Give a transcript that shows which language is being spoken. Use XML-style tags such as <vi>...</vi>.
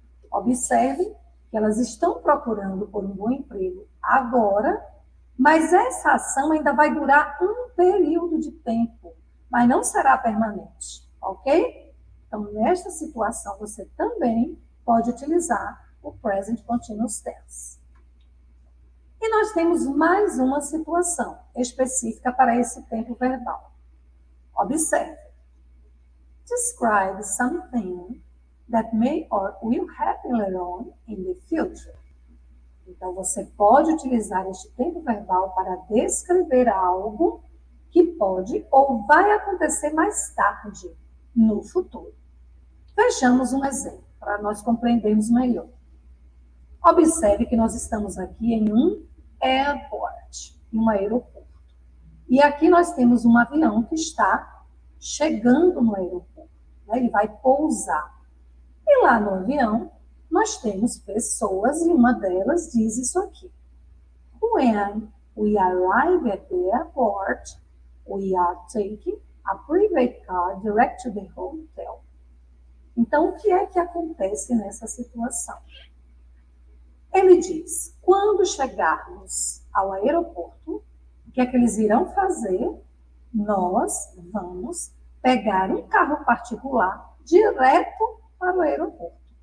<pt>Observe que elas estão procurando por um bom emprego agora, mas essa ação ainda vai durar um período de tempo, mas não será permanente, ok? Então, nesta situação, você também pode utilizar o present continuous tense. E nós temos mais uma situação específica para esse tempo verbal. Observe.</pt> <en>Describe something that may or will happen later on in the future.</en> <pt>Então, você pode utilizar este tempo verbal para descrever algo que pode ou vai acontecer mais tarde, no futuro. Vejamos um exemplo para nós compreendermos melhor. Observe que nós estamos aqui em um airport, em um aeroporto. E aqui nós temos um avião que está chegando no aeroporto. Né? Ele vai pousar. E lá no avião, nós temos pessoas e uma delas diz isso aqui.</pt> <en>When we arrive at the airport, we are taking a private car direct to the hotel.</en> <pt>Então, o que é que acontece nessa situação? Ele diz, quando chegarmos ao aeroporto, O que é que eles irão fazer? Nós vamos pegar um carro particular direto para o aeroporto.</pt>